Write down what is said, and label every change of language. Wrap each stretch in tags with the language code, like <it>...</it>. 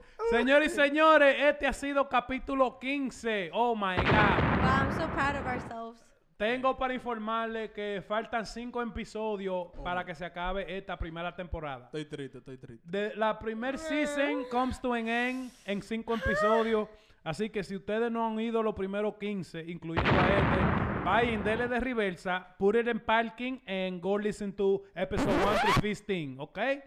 <es>Señores y señores, este ha sido capítulo 15.</es> <en>Oh my god, wow, I'm so proud of ourselves.</en> <es>Tengo para informarle que faltan 5 episodios para que se acabe esta primera temporada. Estoy triste. La primer</es> <en>season comes to an end</en> <es>en 5 episodios. Así que si ustedes no han ido los primeros 15, incluyendo a este, vayan, dele de reversa,</es> <en>put it in parking, and go listen to episode 1 through 15,</en> <es>¿ok?</es>